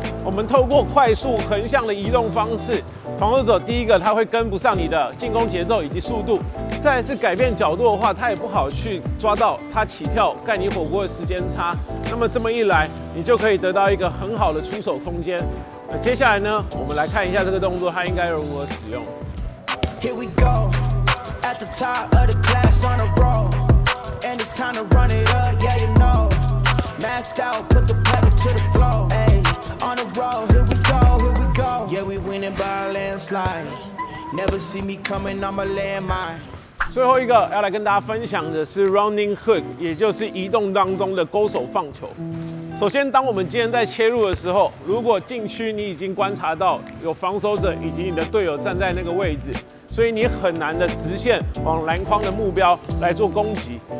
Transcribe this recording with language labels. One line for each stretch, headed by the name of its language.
Chinese: 我们透过快速横向的移动方式，防守者第一个他会跟不上你的进攻节奏以及速度，再来是改变角度的话，他也不好去抓到他起跳盖你火锅的时间差。那么这么一来，你就可以得到一个很好的出手空间。那接下来呢，我们来看一下这个动作它应该如何使用。
English: Here we go at the top of the class on a roll and it's time to run it up, yeah you know maxed out, put the pedal to the floor ay, on a roll, here we go, here we go yeah we winning by a landslide never see me coming on my landmine。
Chinese: 最后一个要来跟大家分享的是 running hook， 也就是移动当中的勾手放球。首先，当我们今天在切入的时候，如果禁区你已经观察到有防守者以及你的队友站在那个位置，所以你很难的直线往篮筐的目标来做攻击。